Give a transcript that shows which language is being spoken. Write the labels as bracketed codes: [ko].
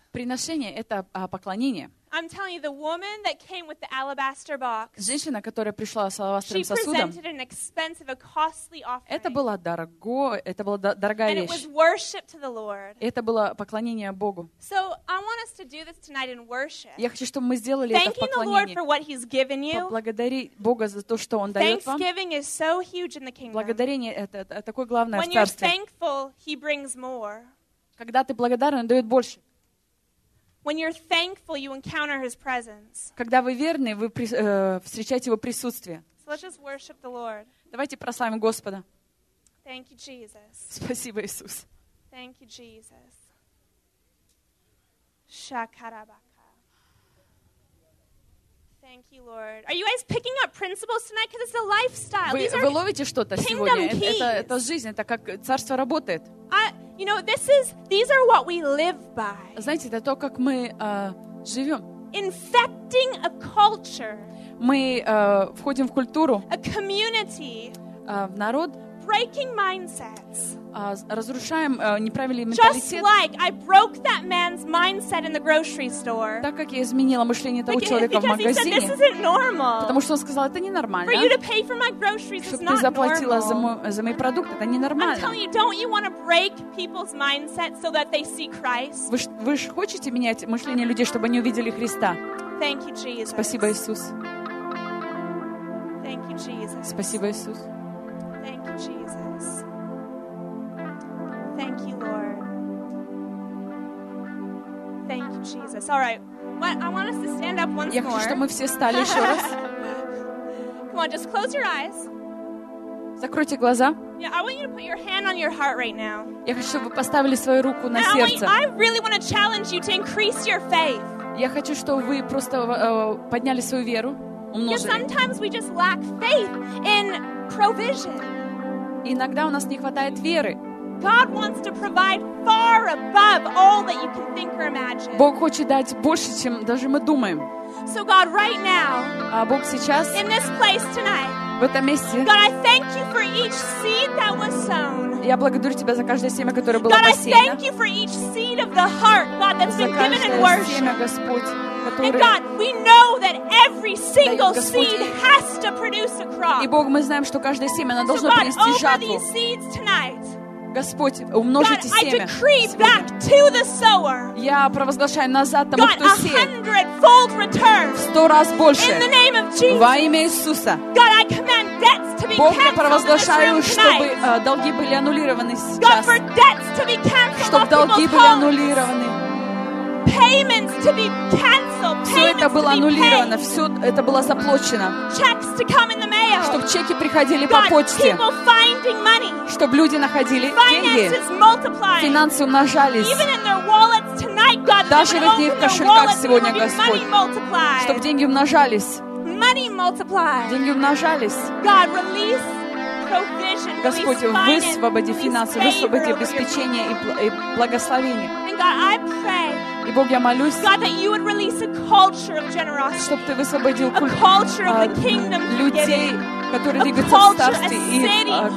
[ru] Приношение — это поклонение. [en] I'm telling you, the woman that came with the alabaster box. [ru] Женщина, которая пришла с алебастровым сосудом. [en] She presented an expensive, a costly offering. [ru] Это было дорогая [en] and [ru] вещь. [en] And it was worship to the Lord. [ru] Это было поклонение Богу. [en] So I want us to do this tonight in worship. [ru] Я хочу, чтобы мы сделали [en] thanking [ru] это в поклонении. [en] Thanking the Lord for what He's given you. [ru] Поблагодари Бога за то, что Он дает вам. [en] Thanksgiving is so huge in the kingdom. [ru] Благодарение — это такое главное [en] when [ru] в царстве. [en] When you're thankful, He brings more. [ru] Когда ты благодарен, Он дает больше. [en] When you're thankful, you encounter His presence. [ru] Когда вы верны, вы встречаете Его присутствие. [en] So let's just worship the Lord. [ru] Давайте прославим Господа. [en] Thank you, Jesus. [ru] Спасибо, Иисус. [en] Thank you, Jesus. Shakarabaka. Thank you, Lord. Are you guys picking up principles tonight? Because it's a lifestyle. [ru] Вы ловите что-то сегодня? Это жизнь, это как царство работает. [en] You know, these are what we live by. [ru] Знаете, это то, как мы живем. [en] Infecting a culture. [ru] Мы входим в культуру. [en] A community. [ru] В народ. [en] Breaking mindsets. [ru] Разрушаем неправильный [en] just [ru] менталитет. [en] Like I broke that man's mindset in the grocery store. [ru] Так как я изменила мышление того человека в магазине. [en] Because he said this isn't normal. [ru] Потому что он сказал, это ненормально. [en] For you to pay for my groceries is not normal. [ru] Чтобы ты заплатила за мой продукт, это ненормально. [en] I'm telling you, don't you want to break people's mindset so that they see Christ? [ru] Вы же хотите менять мышление людей, чтобы они увидели Христа? [en] Thank you, Jesus. [ru] Спасибо, Иисус. [en] Thank you, Jesus. [ru] Спасибо, Иисус. [en] Thank you, Jesus. Thank you, Lord. Thank Jesus. All right. What, I want us to stand up once [ru] Я хочу, [en] more. [ru] Чтобы мы все встали еще раз. [en] Come on, just close your eyes. [ru] Закройте глаза. [en] Yeah, I want you to put your hand on your heart right now. [ru] Я хочу, чтобы вы поставили свою руку на [en] And [ru] сердце. [en] I really want to challenge you to increase your faith. [ru] Я хочу, чтобы вы просто подняли свою веру, умножили. [en] Because sometimes we just lack faith in provision. [ru] Иногда у нас не хватает веры. [en] God wants to provide far above all that you can think or imagine. [ru] Бог хочет дать больше, чем даже мы думаем. [en] So God, right now, [ru] Бог сейчас, [en] in this place tonight, [ru] в этом месте, [en] God, I thank you for each seed that was sown. [ru] Я благодарю тебя за каждое семя, которое было [en] God, [ru] посеяно. [en] God, I thank you for each seed of the heart, God, that's been given in worship. [ru] Семя, Господь. [en] And God, we know that every single seed has to produce a crop. [ru] И Бог, мы знаем, что каждое семя оно должно принести жатву. [en] Over these seeds tonight. [ru] Господь, умножите [en] God, [ru] семя. [en] I decree back to the sower. [ru] Я провозглашаю назад тому, [en] God, [ru] кто сеет. [en] 100-fold return. [ru] В 100 раз больше. [en] In the name of Jesus. [ru] Во имя Иисуса. [en] God, I command debts to be [ru] Бог, я провозглашаю, чтобы долги были аннулированы сейчас. Чтобы долги были аннулированы. [en] Payments to be canceled. [ru] Все это было аннулировано, все это было заплачено. [en] Checks to come in the mail. [ru] Чтобы чеки приходили [en] God, [ru] по почте. [en] People finding money. [ru] Чтобы люди находили деньги. [en] Finances multiplied. [ru] Финансы умножались. [en] Even in their wallets tonight, God, [ru] даже в их кошельках сегодня, Господь. [en] Money multiplied. [ru] Чтобы деньги умножались. [en] Money multiplied. [ru] Деньги умножались. [en] God, release provision. [ru] Господь, [en] release [ru] высвободи финансы, высвободи обеспечение и благословение. [en] And God, I pray. [ru] И Бог, я молюсь, [en] God, that you would release a culture of generosity, [ru] чтобы ты высвободил культуру людей, которые двигаются в старости, и